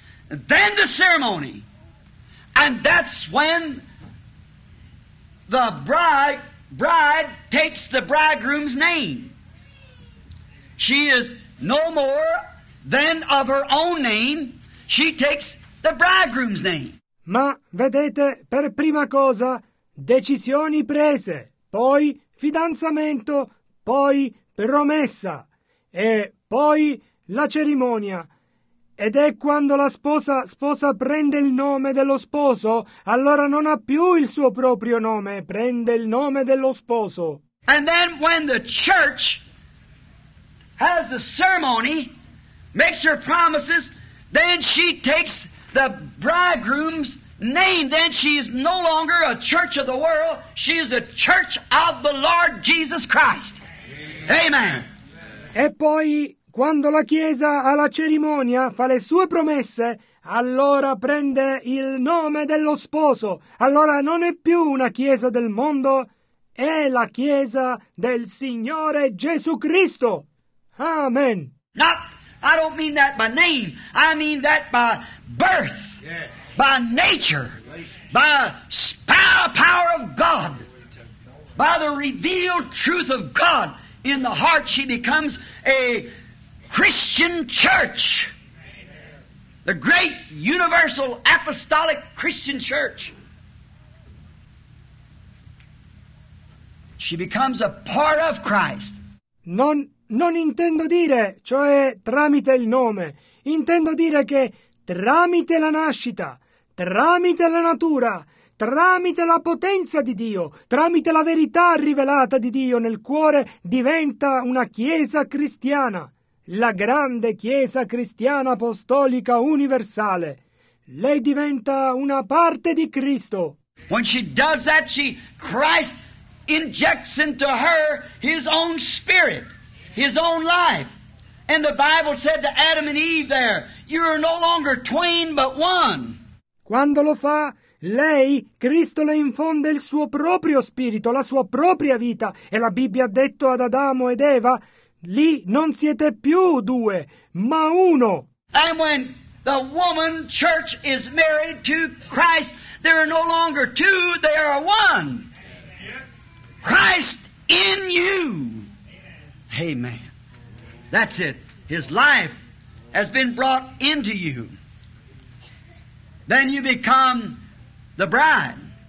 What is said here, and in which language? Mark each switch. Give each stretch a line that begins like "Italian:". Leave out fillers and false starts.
English: Then the ceremony, and that's when the bride takes the bridegroom's name. She is no more than of her own name, she takes the bridegroom's name.
Italian: Ma vedete, per prima cosa, decisioni prese, poi fidanzamento, poi promessa, e poi la cerimonia. Ed è quando la sposa prende il nome dello sposo, allora non ha più il suo proprio nome, prende il nome dello sposo.
English: And then when the church has the ceremony, makes her promises, then she takes the bridegroom's name, then she is no longer a church of the world, she is a church of the Lord Jesus Christ. Amen. Amen.
Italian: E poi quando la Chiesa ha la cerimonia, fa le sue promesse, allora prende il nome dello sposo. Allora non è più una Chiesa del mondo, è la Chiesa del Signore Gesù Cristo. Amen.
English: No, I don't mean that by name. I mean that by birth. Yeah. by nature, by power of God, by the revealed truth of God in the heart, she becomes a Christian church. The great universal apostolic Christian church. She becomes a part of Christ.
Italian: Non intendo dire, cioè tramite il nome, intendo dire che tramite la nascita, tramite la natura, tramite la potenza di Dio, tramite la verità rivelata di Dio nel cuore, diventa una chiesa cristiana, la grande chiesa cristiana apostolica universale. Lei diventa una parte di Cristo.
English: When she does that, Christ injects into her his own spirit. His own life. And the Bible said to Adam and Eve there, you are no longer twain but one.
Italian: Quando lo fa, lei, Cristo, le infonde il suo proprio spirito, la sua propria vita. E la Bibbia ha detto ad Adamo ed Eva, lì non siete più due, ma uno.
English: And when the woman church is married to Christ, there are no longer two, they are one. Christ in you. Amen. That's it. His life has been brought into you. Then you become the bride.